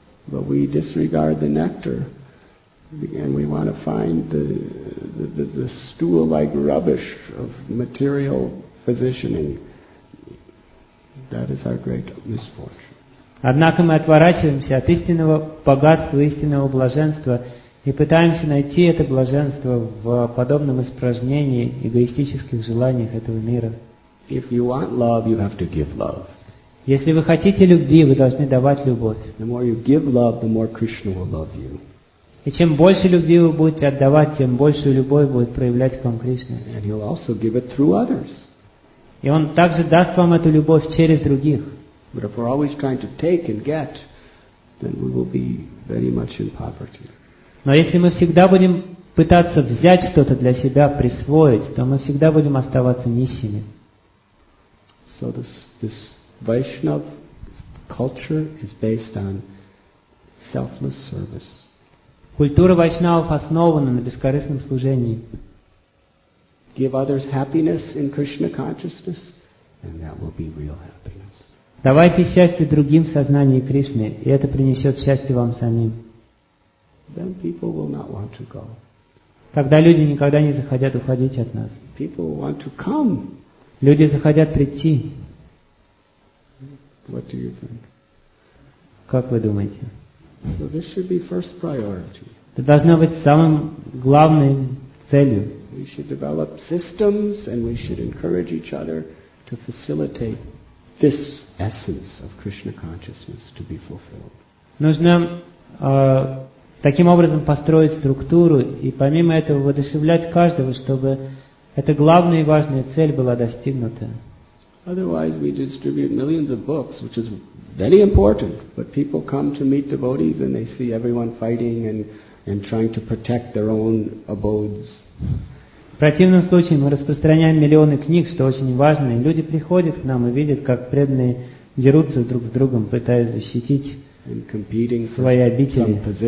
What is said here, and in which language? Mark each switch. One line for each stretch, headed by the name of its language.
English: But we disregard the nectar. And we want to find the stool-like rubbish of material positioning. That is our great misfortune.
Russian: Однако мы отворачиваемся от истинного богатства, истинного блаженства и пытаемся найти это блаженство в подобном испражнении эгоистических желаниях этого мира.
English: If you want love, you have to give love.
Russian: Если вы хотите любви, вы должны давать любовь.
English: The more you give love, the more Krishna will love you.
Russian: И чем больше любви вы будете отдавать, тем большую любовь будет проявлять к вам Кришна.
English: And he'll also give it through others.
Russian: И Он также даст вам эту любовь через других.
English: But if we're always trying to take and get, then we will be very much in poverty.
Russian: Но если мы всегда будем пытаться взять что-то для себя, присвоить, то мы всегда будем оставаться нищими.
English: So this Vaishnava culture is based on selfless service.
Russian: Культура вайшнавов основана на бескорыстном служении.
English: Give others happiness in Krishna consciousness, and that will be real happiness.
Russian: Давайте счастье другим в сознании Кришны, и это принесет счастье вам самим.
English: Then people will not want to go.
Russian: Тогда люди никогда не захотят уходить от нас.
English: People want to come.
Russian: Люди захотят прийти.
English: What do you think?
Russian: Как вы думаете?
English: So this should be first priority.
Russian: Это должно быть самым главной целью.
English: We should develop systems and we should encourage each other to facilitate this essence of Krishna consciousness to be fulfilled.
Russian: Нужно таким образом построить структуру и помимо этого воодушевлять каждого, чтобы эта главная и важная цель была достигнута.
English: Otherwise we distribute millions of books, which is very important, but people come to meet devotees and they see everyone fighting and trying to protect their own abodes.
Russian: В противном случае мы распространяем миллионы книг, что очень важно, и люди приходят к нам и видят, как преданные дерутся друг с другом, пытаясь защитить свои обители.